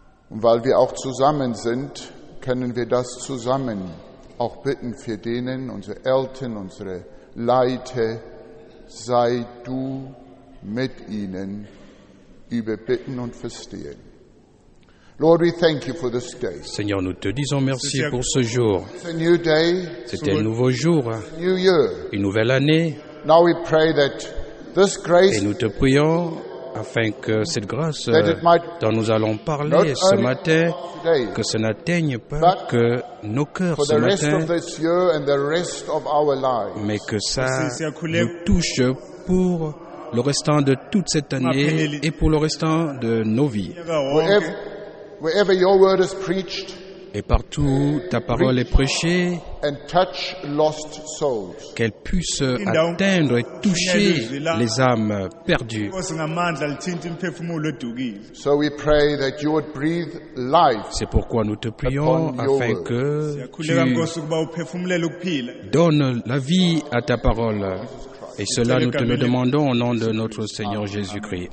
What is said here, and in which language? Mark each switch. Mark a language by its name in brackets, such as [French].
[German] Und weil wir auch zusammen sind, können wir das zusammen auch bitten für denen, unsere Eltern, unsere Leiter, sei du mit ihnen über Bitten und Verstehen. [English] Lord, we thank you for this day. [French] Seigneur, nous te disons merci pour ce jour. [English] It's a new day. [French] C'est un nouveau jour. [English] It's a new year. [French] Une nouvelle année. [English] Now we pray that this grace. [French] Et nous te prions afin que cette grâce dont nous allons parler ce matin, que ce n'atteigne pas que nos cœurs ce matin, mais que ça nous touche pour le restant de toute cette année et pour le restant de nos vies. [English] Wherever your word is preached, [French] et partout ta parole est prêchée, [English] and touch lost souls, [French] qu'elle puisse atteindre et toucher les âmes perdues. [English] So we pray that you would breathe life. [French] C'est pourquoi nous te prions afin que tu donnes la vie à ta parole. Et cela, nous te le demandons au nom de notre Seigneur Jésus-Christ.